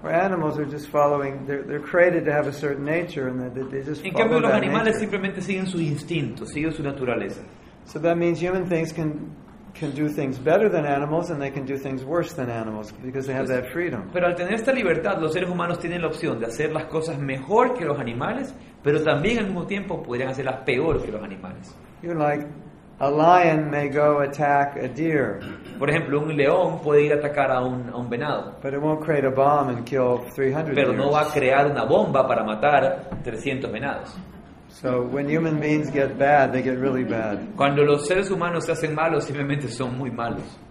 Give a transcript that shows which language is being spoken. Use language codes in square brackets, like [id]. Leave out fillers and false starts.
[en] Where animals are just following, they're created to have a certain nature, and they just. [es] En cambio, los animales [en] nature. [es] Simplemente siguen sus instintos, siguen su naturaleza. [en] So that means human things can do things better than animals, and they can do things worse than animals because they have that freedom. [es] Pero al tener esta libertad, los seres humanos tienen la opción de hacer las cosas mejor que los animales, pero también al mismo tiempo podrían hacerlas peor que los animales. [en] You're like a lion may go attack a deer. [es] Por ejemplo, un león puede ir a atacar a un venado. [en] But it won't create a bomb and kill 300. [es] Pero no va a crear una bomba para matar 300 venados. [en] So when human beings get bad, they get really bad. [es] Cuando los seres humanos se hacen malos, simplemente son muy malos.